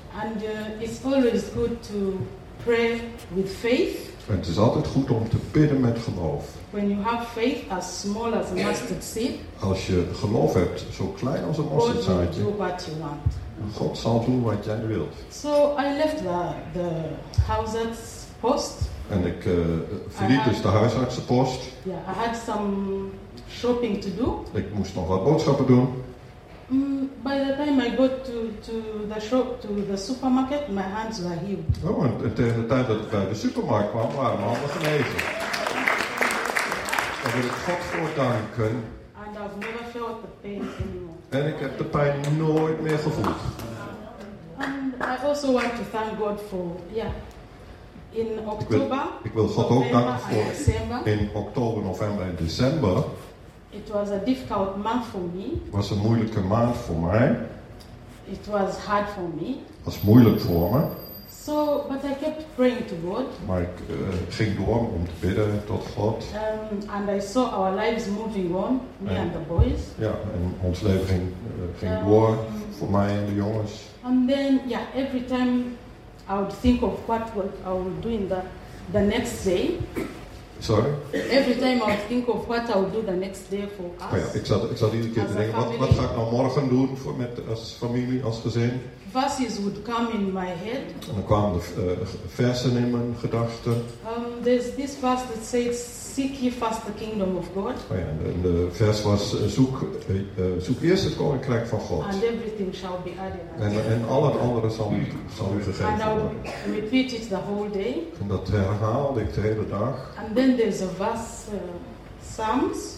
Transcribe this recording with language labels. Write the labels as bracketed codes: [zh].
[en] And it's always good to pray with faith. [nl] En het is altijd goed om te bidden met geloof. [en] When you have faith as small as a mustard seed. [nl] Als je geloof hebt zo klein als een mosterdzaadje. [en] God will do what you want. [nl] En God zal doen wat jij wilt. [en] So I left the house at post. [nl] En ik verliet dus de huisartsenpost. [en] Yeah, I had some shopping to do. [nl] Ik moest nog wat boodschappen doen. [en] By the time I got to the shop, to the supermarket, my hands were healed. [nl] Oh, en tegen de tijd dat ik bij de supermarkt kwam, waren mijn handen genezen. Daar wil ik God voor danken. [en] And I've never felt the pain anymore. [nl] En ik heb de pijn nooit meer gevoeld. [en] And I also want to thank God for, in oktober, [nl] ik wil God ook danken voor in oktober, november en december. [en] It was a difficult month for me. [nl] Was een moeilijke maand voor mij. [en] It was hard for me. [nl] Was moeilijk voor me. [en] So, but I kept praying to God. [nl] Maar ik ging door om te bidden tot God. [en] And I saw our lives moving on, me and the boys. [nl] Ja, en ons leven ging door voor mij en de jongens. [en] And then, every time I would think of what I would do in the next day. Sorry? Every time I would think of what I would do the next day for us. [nl] Oh ja, ik zat iedere keer te denken, wat ga ik nou morgen doen als familie, als gezin? [en] Verses would come in my head. [nl] En dan kwamen de versen in mijn gedachten. [en] There's this verse that says, seek ye first the kingdom of God. [nl] Oh ja, de vers was, zoek eerst het koninkrijk van God. [en] And everything shall be added. [nl] En al het andere zal u gegeven worden. [en] And I repeat it the whole day. [nl] En dat herhaalde ik de hele dag. [en] And then there's a verse, Psalms.